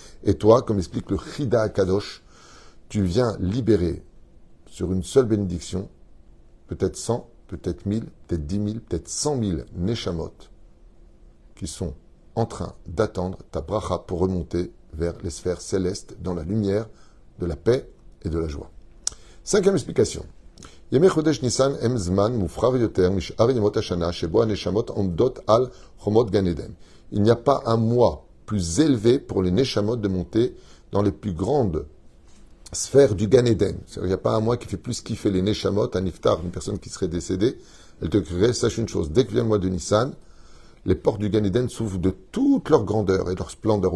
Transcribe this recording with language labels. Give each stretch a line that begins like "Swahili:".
French: Et toi, comme explique le Chida Akadosh, tu viens libérer sur une seule bénédiction, peut-être 100, peut-être 1000, peut-être 10 000, peut-être 100 000 neshamot qui sont en train d'attendre ta bracha pour remonter vers les sphères célestes dans la lumière de la paix et de la joie. Cinquième explication.
Hebrew: ימי חודש ניסן הם זמן מופרר יותר משאר ימות השנה שבו הנשמות עומדות על חומות גן עדן.
French: Il n'y a pas un mois plus élevé pour les neshamot de monter dans les plus grandes sphères du Gan Eden. Il n'y a pas un mois qui fait plus kiffer les neshamot, un niftar, une personne qui serait décédée. Elle te crierait, sache une chose, dès que vient le mois de Nissan, les portes du Gan Eden s'ouvrent de toute leur grandeur et leur splendeur.